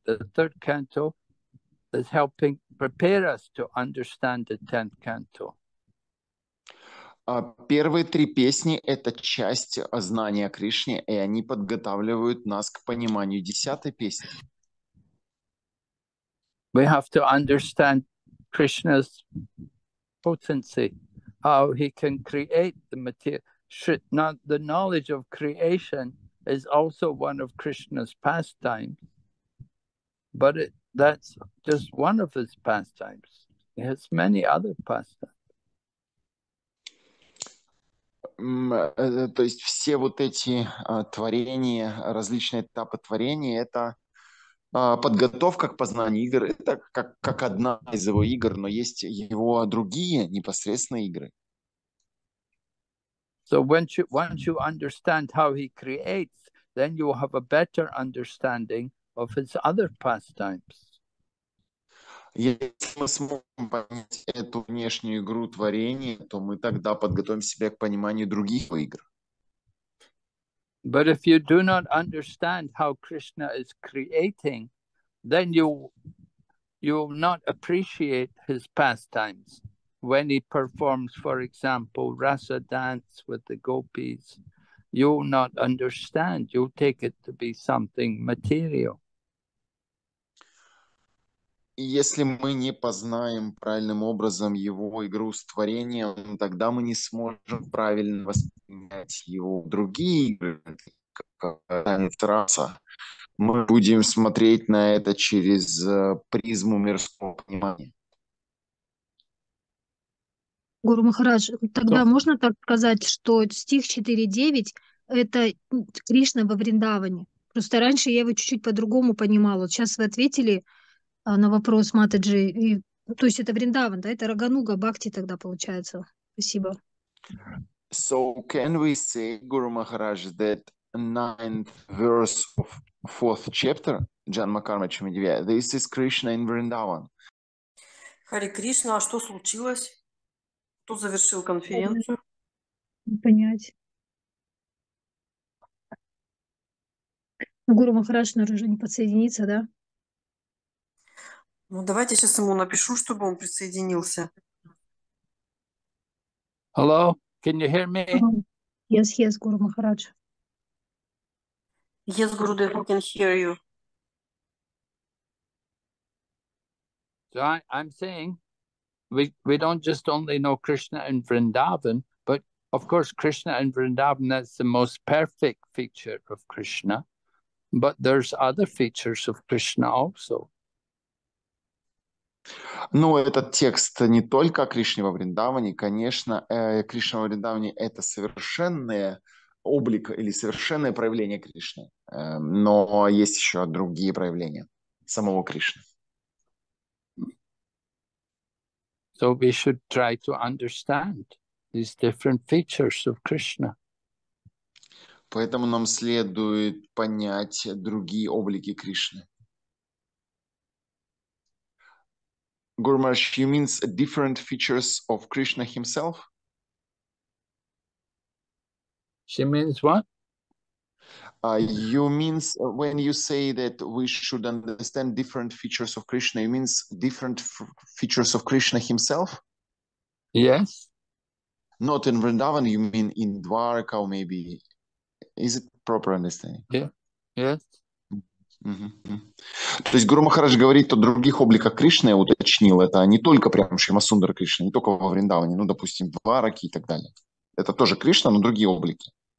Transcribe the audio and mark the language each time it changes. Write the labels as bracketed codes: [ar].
[en] The third canto is helping prepare us to understand the 10th canto. [ru] Первые три песни – это часть знания Кришны, и они подготавливают нас к пониманию десятой песни. [en] We have to understand Krishna's potency, how he can create the material. Now, the knowledge of creation is also one of Krishna's pastimes, but that's just one of his pastimes. He has many other pastimes. [ru] То есть все вот эти творения, различные этапы творения, это подготовка к познанию игр. Это как одна из его игр, но есть его другие непосредственные игры. [en] So once you understand how he creates, then you will have a better understanding of his other pastimes. [ru] Если мы сможем понять эту внешнюю игру творения, то мы тогда подготовим себя к пониманию других игр. [en] But if you do not understand how Krishna is creating, then you will not appreciate his pastimes. When he performs, for example, rasa dance with the gopis, you will not understand. You'll take it to be something material. [ru] Если мы не познаем правильным образом его игру с творением, тогда мы не сможем правильно воспринимать его другие игры, как раса. Мы будем смотреть на это через призму мирского понимания. Гуру Махарадж, тогда можно так сказать, что стих 4.9 – это Кришна во Вриндаване? Просто раньше я его чуть-чуть по-другому понимала. Вот сейчас вы ответили на вопрос Матаджи. То есть это Вриндаван, да? Это Рагануга Бхакти тогда получается. Спасибо. [en] So can we say, Guru Maharaj, that ninth verse of fourth chapter, Janmakarma Chamadivya, this is Krishna in Vrindavan? [ru] Hare Krishna, а что случилось? Кто завершил конференцию? Не понять. Гуру Махарадж, наверное, уже не подсоединится, да? Ну, давайте сейчас ему напишу, чтобы он присоединился. [en] Hello, can you hear me? Yes, yes, Guru Maharaj. Yes, Guru Dev, we can hear you. So I'm saying, we don't just only know Krishna in Vrindavan, but of course Krishna in Vrindavan, that's the most perfect feature of Krishna, but there's other features of Krishna also. [ru] Ну, этот текст не только о Кришне во Вриндаване. Конечно, Кришна во Вриндаване – это совершенный облик или совершенное проявление Кришны. Но есть еще другие проявления самого Кришны. [en] So we should try to understand these different features of Krishna. [ru] Поэтому нам следует понять другие облики Кришны. [en] Guru Maharaj, you mean different features of Krishna himself? She means what? You mean when you say that we should understand different features of Krishna, you mean different features of Krishna himself? Yes. Not in Vrindavan, you mean in Dwarka, or maybe. Is it proper understanding? Yeah. Yes. Mm-hmm. [ru] То есть Гуру Махарадж говорит о других обликах Кришны, я уточнил, это не только прямо Шримасундара Кришна, не только во Вриндаване, ну, допустим, Двараки и так далее. Это тоже Кришна, но другие облики.